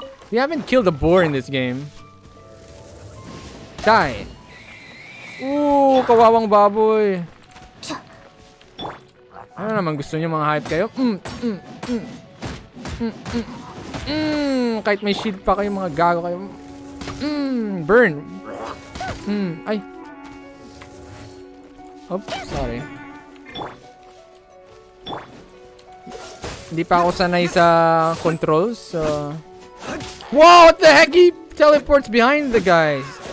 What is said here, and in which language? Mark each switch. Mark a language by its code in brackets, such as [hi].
[en] We haven't killed a boar in this game. Die. [tl] Ooh, kawawang baboy. Ano naman gusto niyo mga hype kayo? Kahit may shield pa kayo mga gago kayo. Burn. Ay. [en] Oops, sorry. [tl] Hindi pa ako sanay sa controls. So. [en] Whoa, what the heck? He teleports behind the guys.